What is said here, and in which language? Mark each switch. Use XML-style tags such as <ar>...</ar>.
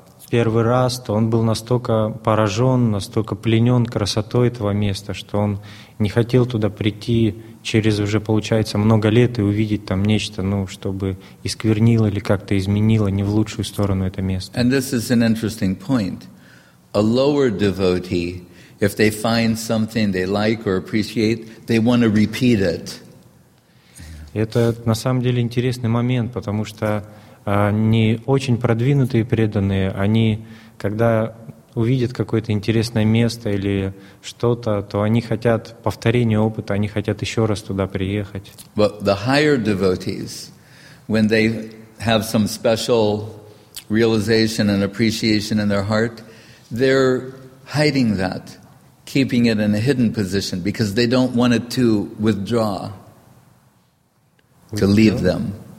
<ru>первый раз, то он был настолько поражен, настолько пленен красотой этого места, что он не хотел туда прийти через уже, получается, много лет и увидеть там нечто, ну, чтобы исквернило или как-то изменило не в лучшую сторону это место.</ru> <en>And this is an interesting point. A lower devotee, if they find something they like or appreciate, they want to repeat it.</en> <ru>Это на самом деле интересный момент, потому что не очень продвинутые преданные, они, когда увидят какое-то интересное место или что-то, то они хотят повторения опыта, они хотят еще раз туда приехать.</ru> <en>But the higher devotees, when they have some special realization and appreciation in their heart, they're hiding that, keeping it in a hidden position because they don't want it to withdraw, to leave them.</en>